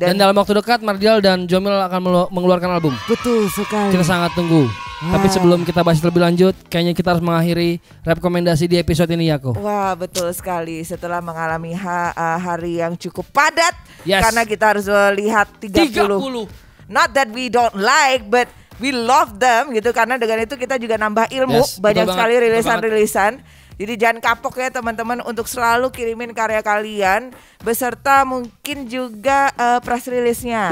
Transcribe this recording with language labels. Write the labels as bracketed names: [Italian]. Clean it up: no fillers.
[Indonesian] Dan dalam waktu dekat Mardial dan Jomil akan mengeluarkan album. Betul sekali. Kita sangat tunggu. Tapi sebelum kita bahas lebih lanjut, kayaknya kita harus mengakhiri rekomendasi di episode ini, Yako. Wah, betul sekali. Setelah mengalami hari yang cukup padat, karena kita harus lihat 30. [English] Not that we don't like, but we love them [Indonesian] gitu. Karena dengan itu kita juga nambah ilmu, banyak sekali rilisan-rilisan. Jadi jangan kapok ya teman-teman untuk selalu kirimin karya kalian beserta mungkin juga press release-nya.